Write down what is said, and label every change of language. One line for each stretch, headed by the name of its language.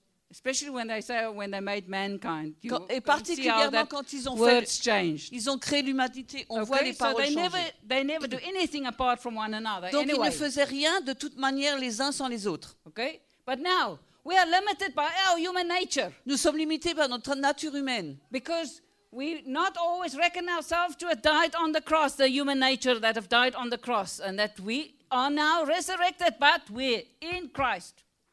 English: Especially when they say when they made mankind.
French: Et particulièrement quand ils ont fait, ils ont créé l'humanité. On voit les paroles changer.
English: They never do anything apart from one another.
French: Donc
English: anyway.
French: Ils ne faisaient rien de toute manière les uns sans les autres.
English: Okay, but now we are limited by our human nature.
French: Nous sommes limités par notre nature humaine.
English: Because we not always reckon ourselves to have died on the cross, the human nature that have died on the cross, and that we are now resurrected, but we're in Christ.